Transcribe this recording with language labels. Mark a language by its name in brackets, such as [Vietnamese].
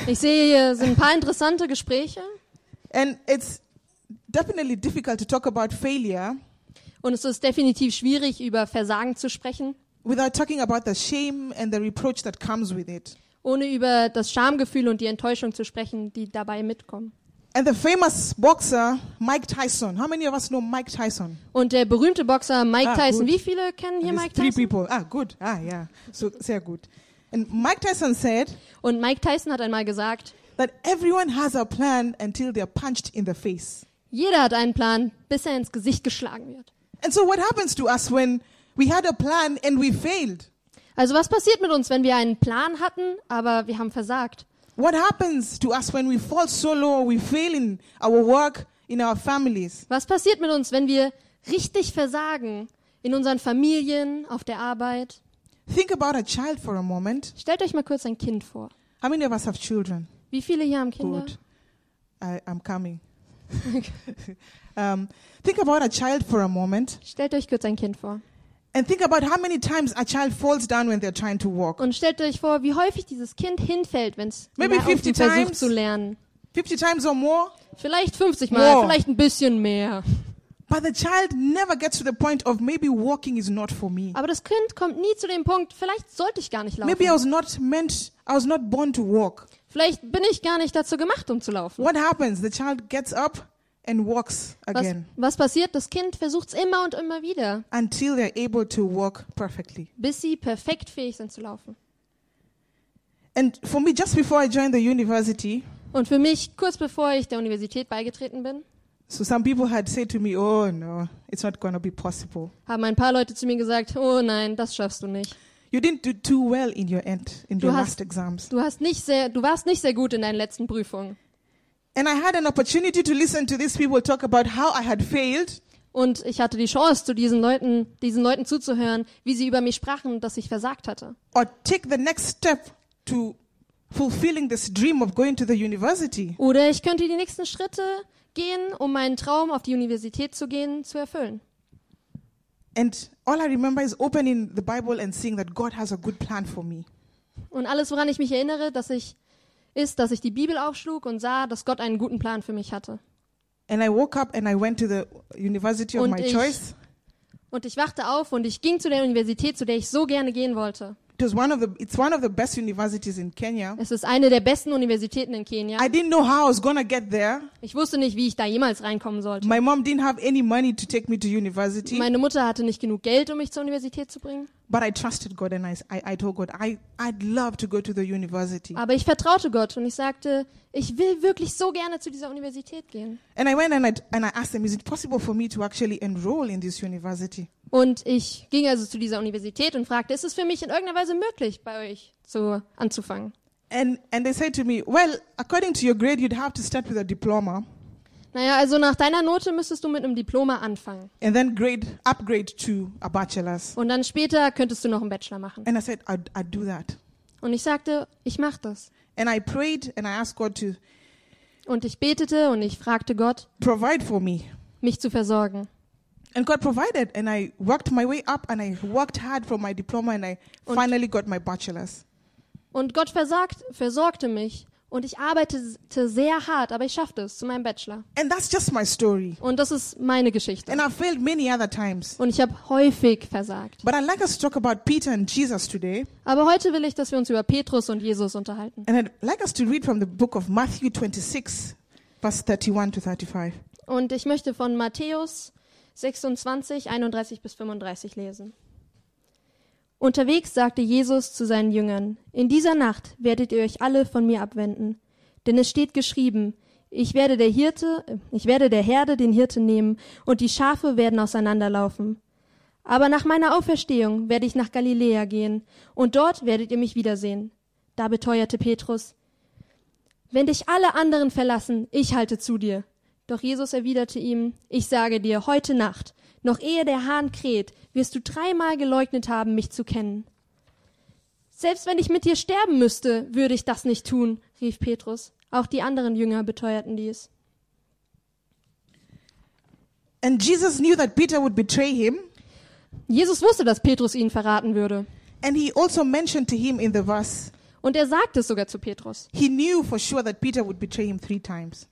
[German] Ich sehe, hier sind ein paar interessante Gespräche. [English] And it's definitely difficult to talk about failure. [German] Und es ist definitiv schwierig, über Versagen zu sprechen. [English] Without talking about the shame and the reproach that comes with it. [German] Ohne über das Schamgefühl und die Enttäuschung zu sprechen, die dabei mitkommen. [English] And the famous boxer Mike Tyson. How many of us know Mike Tyson? [German] Und der berühmte Boxer Mike Tyson. [English] Good. [German] Wie viele kennen hier Mike [English] three Three people. Ah, good. Ah, yeah. [German] So sehr gut. [English] And Mike Tyson said. [German] Und Mike Tyson hat einmal gesagt, [English] that everyone has a plan until they're punched in the face. [German] Jeder hat einen Plan, bis er ins Gesicht geschlagen wird. [English] And so, what happens to us when we had a plan and we failed? [German] Also, was passiert mit uns, wenn wir einen Plan hatten, aber wir haben versagt? [English] What happens to us when we fall so low, we fail in our work, in our families? [German] Was passiert mit uns, wenn wir richtig versagen in unseren Familien, auf der Arbeit? [English] Think about a child for a moment. [German] Stellt euch mal kurz ein Kind vor. [English] How many of us have children? [German] Wie viele hier haben Kinder? [English] Good. I'm coming. think about a child for a moment. [German] Stellt euch kurz ein Kind vor. [English] And think about how many times a child falls down when they're trying to walk. [German] Und stellt euch vor, wie häufig dieses Kind hinfällt, wenn es versucht zu lernen. [English] 50 times or more? [German] Vielleicht 50 Mal, vielleicht ein bisschen mehr. [English] But the child never gets to the point of maybe walking is not for me. [German] Aber das Kind kommt nie zu dem Punkt, vielleicht sollte ich gar nicht laufen. [English] Maybe I was not born to walk. [German] Vielleicht bin ich gar nicht dazu gemacht, um zu laufen. [English] What happens? The child gets up and walks again. [German] Was passiert? Das Kind versucht es immer und immer wieder. [English] Until they're able to walk perfectly. [German] Bis sie perfekt fähig sind zu laufen. [English] And for me, just before I joined the university. [German] Und für mich kurz bevor ich der Universität beigetreten bin. [English] So some people had said to me, oh no, it's not going to be possible. [German] Haben ein paar Leute zu mir gesagt, oh nein, das schaffst du nicht. [English] You didn't do too well in your end in your last exams. [German] Du warst nicht sehr gut in deinen letzten Prüfungen. [English] And I had an opportunity to listen to these people talk about how I had failed. [German] Und ich hatte die Chance, zu diesen Leuten zuzuhören, wie sie über mich sprachen, dass ich versagt hatte. [English] Or take the next step to fulfilling this dream of going to the university. [German] Oder ich könnte die nächsten Schritte gehen, um meinen Traum auf die Universität zu gehen, zu erfüllen. [English] And all I remember is opening the Bible and seeing that God has a good plan for me. [German] Und alles, woran ich mich erinnere, dass ich die Bibel aufschlug und sah, dass Gott einen guten Plan für mich hatte. [English] And I woke up and I went to the university of my choice. [German] Und ich wachte auf und ich ging zu der Universität, zu der ich so gerne gehen wollte. [English] It's one of the best universities in Kenya. [German] Es ist eine der besten Universitäten in Kenia. [English] I didn't know how I was gonna get there. [German] Ich wusste nicht, wie ich da jemals reinkommen sollte. [English] My mom didn't have any money to take me to university. [German] Meine Mutter hatte nicht genug Geld, um mich zur Universität zu bringen. [English] But I trusted God and I told God I'd love to go to the university. [German] Aber ich vertraute Gott und ich sagte, ich will wirklich so gerne zu dieser Universität gehen. [English] And I went and I asked them, is it possible for me to actually enroll in this university? [German] Und ich ging also zu dieser Universität und fragte, ist es für mich in irgendeiner Weise möglich, bei euch anzufangen? [English] And they said to me, well, according to your grade, you'd have to start with a diploma. [German] Naja, also nach deiner Note müsstest du mit einem Diploma anfangen. [English] And then upgrade to a bachelor's. [German] Und dann später könntest du noch einen Bachelor machen. [English] And I said, I'd do that. [German] Und ich sagte, ich mach das. [English] And I prayed and I asked God to. [German] Und ich betete und ich fragte Gott, [English] provide for me. [German] Mich zu versorgen. [English] And God provided, and I worked my way up, and I worked hard for my diploma, and I finally got my bachelor's. [German] Und Gott versorgte mich, und ich arbeitete sehr hart, aber ich schaffte es zu meinem Bachelor. [English] And that's just my story. [German] Und das ist meine Geschichte. [English] And I failed many other times. [German] Und ich habe häufig versagt. [English] But I'd like us to talk about Peter and Jesus today. [German] Aber heute will ich, dass wir uns über Petrus und Jesus unterhalten. [English] And I'd like us to read from the book of Matthew 26, verse 31 to 35. [German] Und ich möchte von Matthäus 26, 31 bis 35 lesen. Unterwegs sagte Jesus zu seinen Jüngern, in dieser Nacht werdet ihr euch alle von mir abwenden, denn es steht geschrieben, ich werde der Herde den Hirten nehmen und die Schafe werden auseinanderlaufen. Aber nach meiner Auferstehung werde ich nach Galiläa gehen und dort werdet ihr mich wiedersehen. Da beteuerte Petrus, wenn dich alle anderen verlassen, ich halte zu dir. Doch Jesus erwiderte ihm, ich sage dir, heute Nacht, noch ehe der Hahn kräht, wirst du dreimal geleugnet haben, mich zu kennen. Selbst wenn ich mit dir sterben müsste, würde ich das nicht tun, rief Petrus. Auch die anderen Jünger beteuerten dies. [English] And Jesus knew that Peter would betray him. [German] Jesus wusste, dass Petrus ihn verraten würde. [English] And he also mentioned to him in the verse. [German] Und er sagte es sogar zu Petrus. [English] He knew for sure that Peter would betray him three times.